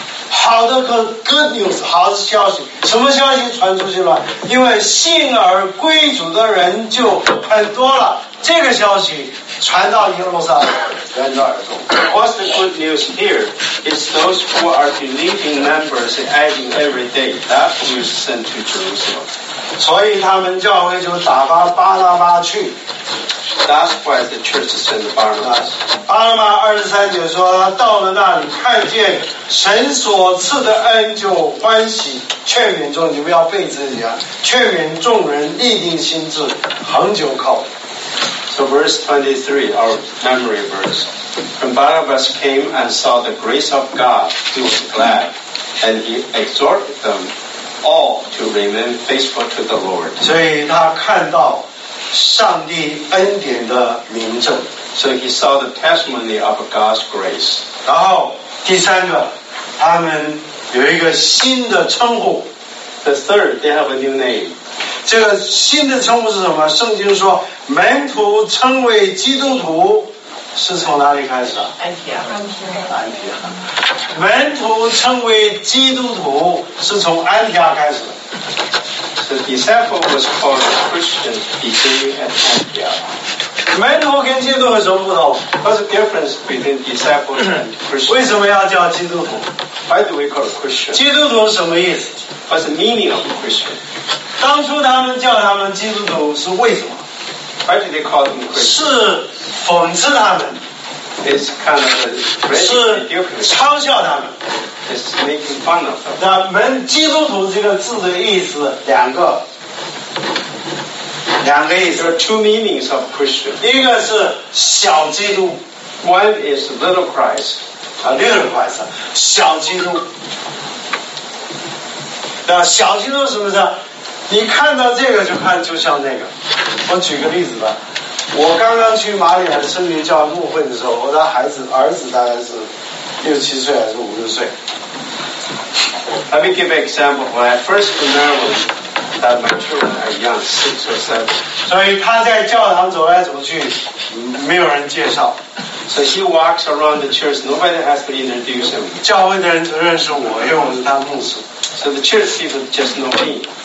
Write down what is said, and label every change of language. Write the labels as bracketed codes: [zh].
[zh] 好的和 [en] good news， [zh] 好的消息。什么消息传出去了？因为信而归主的人就很多了。这个消息传到耶路撒冷的耳中。 [en] What's the good news here? It's those who are believing members adding every day. That news sent to Jerusalem. [zh] 所以他们教会就打发巴拿巴去。 [en] That's why the church sent Barnabas. [zh] 巴拿巴二十三节说，他到了那里，看见神所赐的恩，就欢喜，劝勉众，你们要背自己啊，劝勉众人，立定心志，恒久靠。 [en] So verse 23, our memory verse. When Barnabas came and saw the grace of God, he was glad, and he exhorted them all to remain faithful to the Lord. [zh] 所以他看到上帝恩典的明证。 [en] So he saw the testimony of God's grace. [zh] 然后第三个，他们有一个新的称呼。 [en] The third, they have a new name. [zh] 这个新的称呼是什么？圣经说门徒称为基督徒是从哪里开始的？安提亚。门徒称为基督徒是从安提亚开始。 [en] The disciple was called a Christian beginning at Antioch. [zh] 门徒跟基督徒有什么不同？ [en] What's the difference between disciple and Christian? [zh] 为什么要叫基督徒？ [en] Why do we call a Christian? [zh] 基督徒什么意思？ [en] What's the meaning of Christian? [zh] 当初他们叫他们基督徒是为什么？ [en] Why did they call them Christian? [zh] 是讽刺他们。 [en] It's kind of a [zh] ridicule. 是嘲笑他们。 [en] is making fun of them. [zh] 那门基督徒这个字的意思, 两个, 两个意思, [en] two meanings of Christian. [zh] 一个是小基督, [en] one is little Christ. A little Christ, [zh] 小基督。小基督是不是你看到这个就看就像那个我举个例子吧我刚刚去马里海森林教牧会的时候我的孩子儿子大概是六七岁还是五六岁 [en] Let me give an example when I first remember that my children are young 6 or 7 [zh] 所以他在教堂走来走去没有人介绍 [en] So he walks around the church nobody has to introduce him [zh] 教会的人都认识我因为我是他牧师 [en] So the church people just know me.